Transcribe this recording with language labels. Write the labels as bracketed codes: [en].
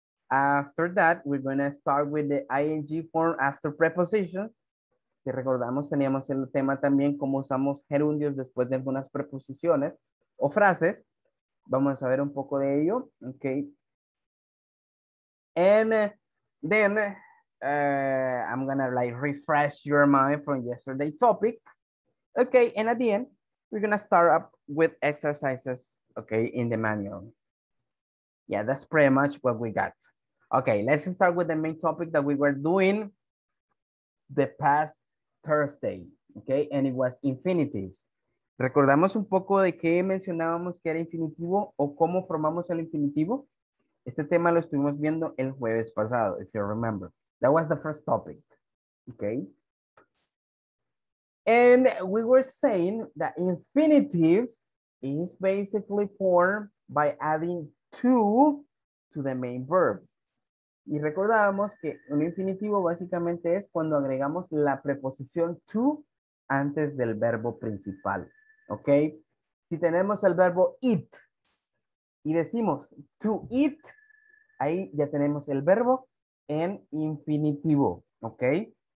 [en] After that, we're going to start with the ing form after preposition. [es] Si recordamos, teníamos el tema también cómo usamos gerundios después de algunas preposiciones o frases. vamos a ver un poco de ello. Ok. [en] And then I'm gonna like refresh your mind from yesterday's topic. Okay, and at the end, we're gonna start up with exercises, okay, in the manual. Yeah, that's pretty much what we got. Okay, let's start with the main topic that we were doing the past Thursday, okay, and it was infinitives. [es] ¿Recordamos un poco de qué mencionábamos que era infinitivo o cómo formamos el infinitivo? Este tema lo estuvimos viendo el jueves pasado, [en] if you remember. That was the first topic, okay? And we were saying that infinitives is basically formed by adding to the main verb. [es] Y recordábamos que un infinitivo básicamente es cuando agregamos la preposición to antes del verbo principal, okay? Si tenemos el verbo eat y decimos to eat, ahí ya tenemos el verbo en infinitivo, okay?